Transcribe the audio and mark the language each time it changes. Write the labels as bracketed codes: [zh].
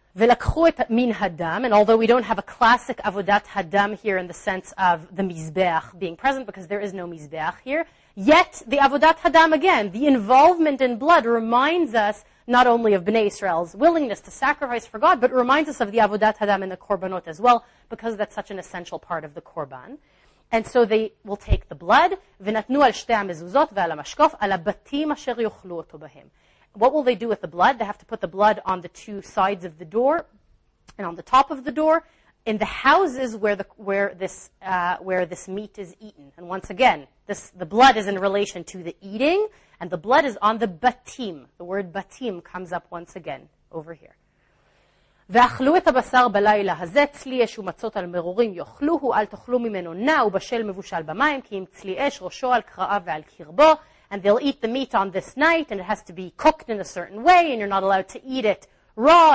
[he] ולקחו את מן הדם, [en] and although we don't have a classic avodat hadam here in the sense of the mizbeach being present, because there is no mizbeach here, yet the avodat hadam again, the involvement in blood reminds us not only of Bnei Israel's willingness to sacrifice for God, but reminds us of the avodat hadam in the korbanot as well, because that's such an essential part of the korban. And so they will take the blood, [he] ונתנו על שתי המזוזות ועל המשקוף, על הבתים אשר יאכלו אותו בהם. [en] What will they do with the blood? They have to put the blood on the two sides of the door and on the top of the door in the houses where this meat is eaten. And once again, the blood is in relation to the eating, and the blood is on the batim. The word batim comes up once again over here. [he] ואכלו את הבשר בלילה הזה, צלי אש ומצות על מרורים יאכלוהו, אל תאכלו ממנו נע ובשל מבושל במים, כי אם צלי אש ראשו על קראיו ועל קרבו. [en] And they'll eat the meat on this night, and it has to be cooked in a certain way, and you're not allowed to eat it raw.